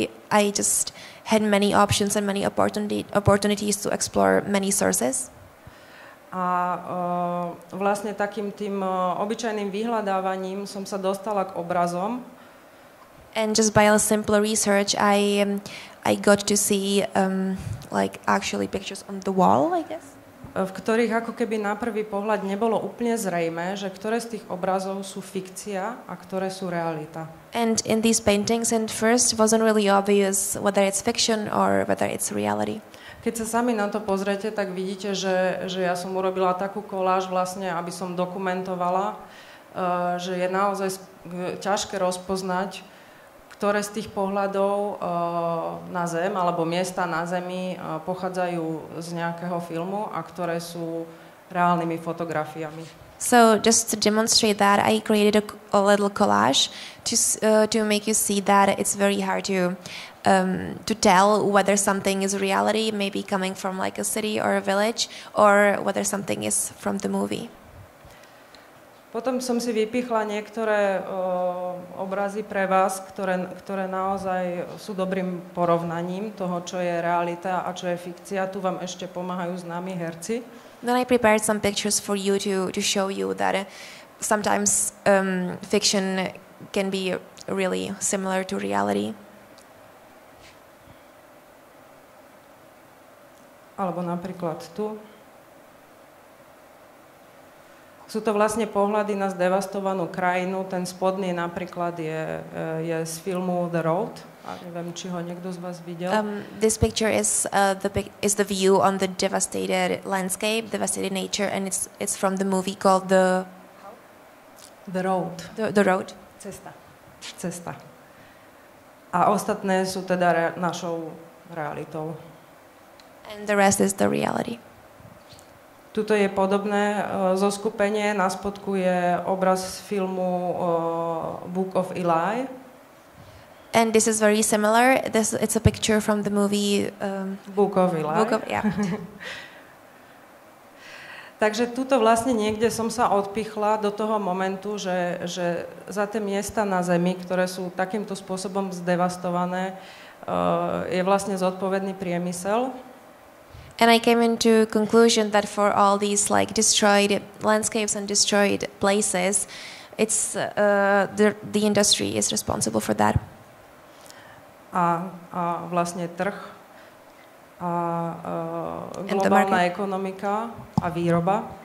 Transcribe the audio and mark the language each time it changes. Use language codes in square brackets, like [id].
[en] I just had many options and many opportunities to explore many sources. [sk] A vlastne takým tým obyčajným vyhľadávaním som sa dostala k obrazom. [en] And just by a simple research, I got to see like actually pictures on the wall, I guess. [sk] V ktorých ako keby na prvý pohľad nebolo úplne zrejmé, že ktoré z tých obrazov sú fikcia a ktoré sú realita. [en] And in these paintings at first wasn't really obvious whether it's fiction or whether it's reality. [sk] Keď sa sami na to pozriete, tak vidíte, že ja som urobila takú koláž vlastne, aby som dokumentovala, že je naozaj ťažké rozpoznať, ktoré z tých pohľadov na Zem alebo miesta na Zemi pochádzajú z nejakého filmu a ktoré sú reálnymi fotografiami. [en] So just to demonstrate that, I created a little collage to make you see that it's very hard to tell whether something is reality, maybe coming from like a city or a village, or whether something is from the movie. [sk] Potom som si vypichla niektoré obrazy pre vás, ktoré naozaj sú dobrým porovnaním toho, čo je realita a čo je fikcia. Tu vám ešte pomáhajú známi herci. [en] Then I prepared some pictures for you to show you that sometimes fiction can be really similar to reality. [sk] Alebo napríklad tu. Sú to vlastne pohľady na zdevastovanú krajinu. Ten spodný napríklad je z filmu The Road. A neviem, či ho niekto z vás videl. [en] This picture is the view on the devastated landscape, devastated nature, and it's from the movie called The Road. The Road. [sk] Cesta. A ostatné sú teda našou realitou. [en] And the rest is the reality. [sk] Tuto je podobné zoskupenie. Na spodku je obraz filmu Book of Eli. [en] And this is very similar. This, it's a picture from the movie Book of Eli. Book of, yeah. [sk] Takže tuto vlastne niekde som sa odpichla do toho momentu, že za tie miesta na Zemi, ktoré sú takýmto spôsobom zdevastované, je vlastne zodpovedný priemysel. [en] And I came into conclusion that for all these like destroyed landscapes and destroyed places, it's the industry is responsible for that. [sk] A vlastne trh a globálna ekonomika a výroba.